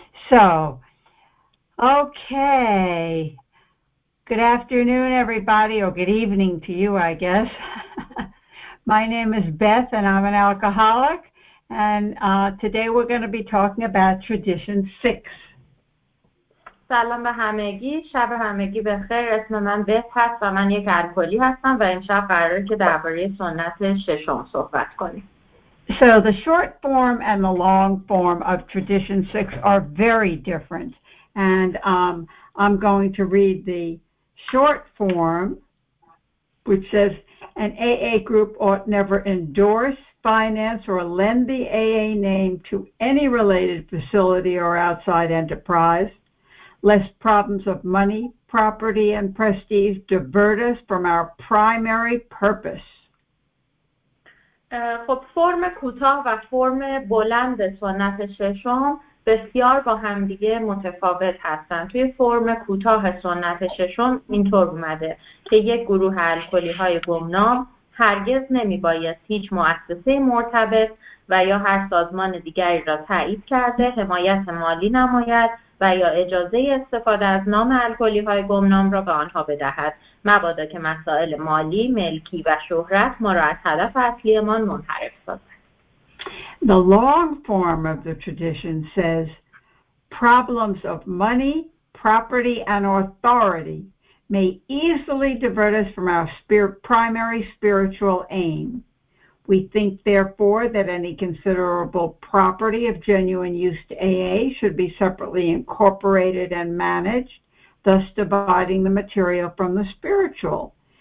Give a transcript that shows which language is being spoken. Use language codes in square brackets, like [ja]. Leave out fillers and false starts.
[en] So, okay. Good afternoon, everybody, or good evening to you, I guess. My name is Beth, and I'm an alcoholic. And today we're going to be talking about Tradition 6. [fa] سلام به همگی، شب همگی بخیر. اسم من بت هست و من یک الکلی هستم و امشب قراره که درباره سنت ششم صحبت کنیم. [en] So the short form and the long form of Tradition 6 are very different. And I'm going to read the short form, which says, an AA group ought never endorse, finance, or lend the AA name to any related facility or outside enterprise, lest problems of money, property, and prestige divert us from our primary purpose. [fa] خب فرم کوتاه و فرم بلند سنت ششم بسیار با همدیگه متفاوت هستند. توی فرم کوتاه سنت ششم اینطور اومده که یک گروه الکلی‌های گمنام هرگز نمی‌باید هیچ مؤسسه مرتبط و یا هر سازمان دیگری را تایید کرده حمایت مالی نماید و یا اجازه استفاده از نام الکلی‌های گمنام را به آنها بدهد، مبادا که مسائل مالی، ملکی و شهرت ما را از هدف اصلیمان منحرف سازد. [en] The long form of the tradition says problems of money, property and authority may easily divert us from our primary spiritual aim. We think, therefore, that any considerable property of genuine use to AA should be separately incorporated and managed, thus dividing the material from the spiritual.